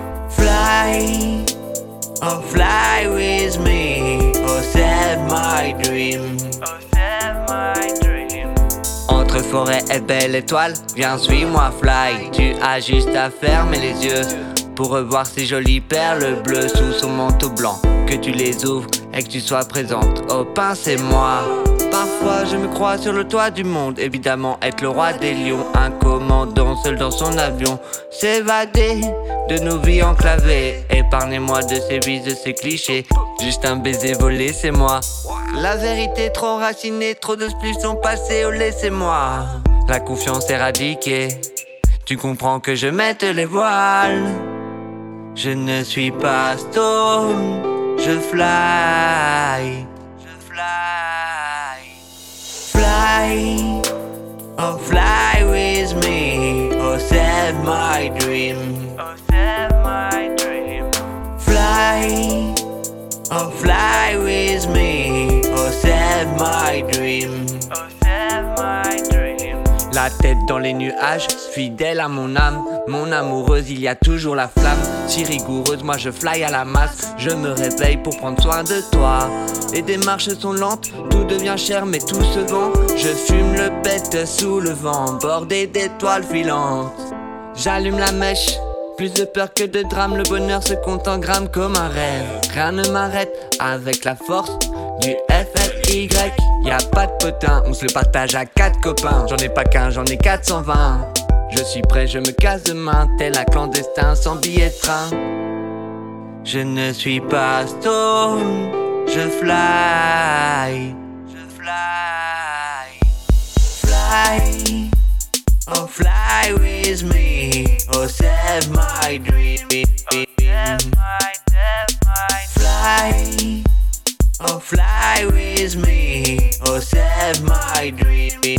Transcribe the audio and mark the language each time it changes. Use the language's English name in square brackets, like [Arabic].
[English] Fly, oh fly with me, oh save my dream. [French] Entre forêt et belle étoile, viens suis-moi fly. Tu as juste à fermer les yeux pour revoir ces jolies perles bleues sous son manteau blanc. Que tu les ouvres et que tu sois présente. Oh pincez-moi. Parfois je me crois sur le toit du monde. Évidemment être le roi des lions, un commandant seul dans son avion. S'évader de nos vies enclavées. Épargnez-moi de ces vices, de ces clichés. Juste un baiser volé, c'est moi. La vérité trop enracinée, trop de spliffs sont passés, oh laissez-moi. La confiance éradiquée, tu comprends que je mette les voiles. Je ne suis pas stone, je fly. Je fly. [English] Fly, oh fly with me, oh save my dream. Oh save my dream. Fly, oh fly with me, oh save my dream. Oh save my dream. [French] La tête dans les nuages, fidèle à mon âme. Mon amoureuse, il y a toujours la flamme. Si rigoureuse, moi je fly à la masse. Je me réveille pour prendre soin de toi. Les démarches sont lentes, tout devient cher mais tout se vend. Je fume le pet sous le vent, bordé d'étoiles filantes. J'allume la mèche, plus de peur que de drame. Le bonheur se compte en grammes comme un rêve. Rien ne m'arrête avec la force du FFY. Y'a pas de potin, on se le partage à quatre copains. J'en ai pas qu'un, j'en ai 420. Je suis prêt, je me casse demain. Tel un clandestin sans billet de train. Je ne suis pas stone, je fly. Je fly. [English] Fly, oh fly with me, oh save my dream. Oh save my dream. Fly, oh fly with me, oh save my dream.